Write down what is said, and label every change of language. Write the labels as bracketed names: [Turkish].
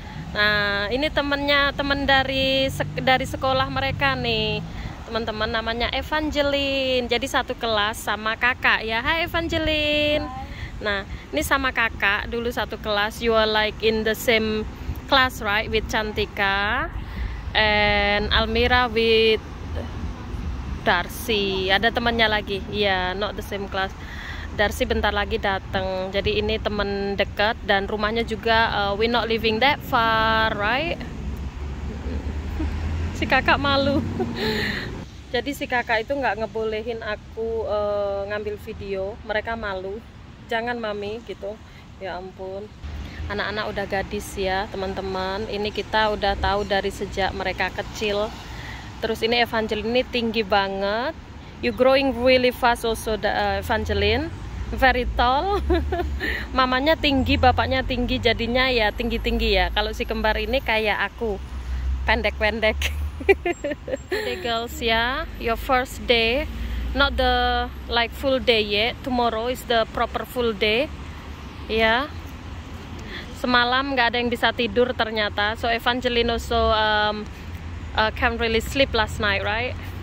[Indonesian] Nah, ini temennya, temen dari sekolah mereka nih, teman-teman, namanya Evangeline. Jadi satu kelas sama kakak ya. Hai Evangeline. [English] Hi. [Indonesian] Nah, ini sama kakak dulu satu kelas. [English] You are like in the same class, right? With Cantika and Almira with Darcy, [Indonesian] ada temannya lagi. Iya, [English] not the same class. [Indonesian] Darcy bentar lagi datang. Jadi ini teman dekat dan rumahnya juga [English] we not living that far, right? [Indonesian] Si kakak malu. Jadi si kakak itu nggak ngebolehin aku ngambil video. Mereka malu. Jangan mami gitu. Ya ampun. Anak-anak udah gadis ya, teman-teman. Ini kita udah tahu dari sejak mereka kecil. Terus ini Evangeline ini tinggi banget. [English] You growing really fast also, Evangeline. Very tall. [Indonesian] Mamanya tinggi, bapaknya tinggi, jadinya ya tinggi-tinggi ya. Kalau si kembar ini kayak aku, pendek-pendek. [English] Hey girls ya, your first day, not the like full day yet. Tomorrow is the proper full day. Ya. Yeah. [Indonesian] Semalam nggak ada yang bisa tidur ternyata. [English] So Evangeline also can't really sleep last night, right?